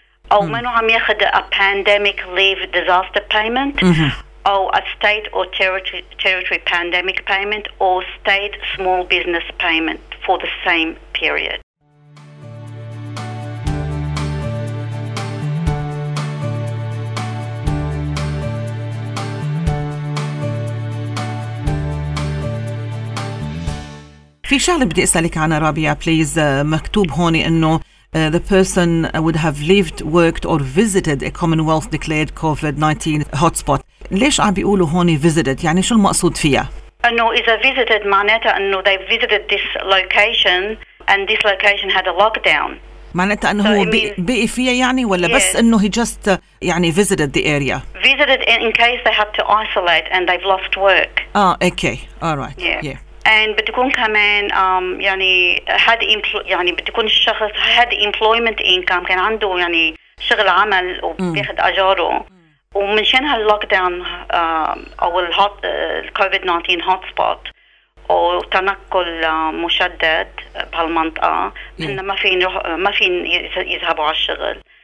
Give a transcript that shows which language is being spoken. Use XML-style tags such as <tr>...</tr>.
<ar>أو منو عم يأخذ</ar> <en>a pandemic leave disaster payment أو a state or territory pandemic payment or state small business payment for the same period.</en> <ar>في شغلة بدي أسألك عنها رابية بليز. مكتوب هون إنه</ar> <en>the person would have lived, worked or visited a Commonwealth declared COVID-19 hotspot.</en> <ar>ليش عم بيقولوا هون visited؟ يعني شو المقصود فيها؟ انه اذا</ar> <en>visited</en> <ar>معناتها انه</ar> <en>they visited this location and this location had a lockdown.</en> <ar>معناتها انه so هو بقي فيها يعني ولا</ar> <en>yes.</en> <ar>بس انه</ar> <en>he just</en> <ar>يعني</ar> <en>visited the area. Visited in case they have to isolate and they've lost work. Okay. All right. Yeah. And</en> <ar>بتكون كمان يعني had يعني بتكون الشخص</ar> <en>had employment income,</en> <ar>كان عنده يعني شغل عمل وبياخد أجاره ومنشان هاللوكداون أو الهوت الكوفيد 19 هوت سبوت أو تنقل مشدد بهالمنطقة إن ما فين يذهبوا على الشغل</ar>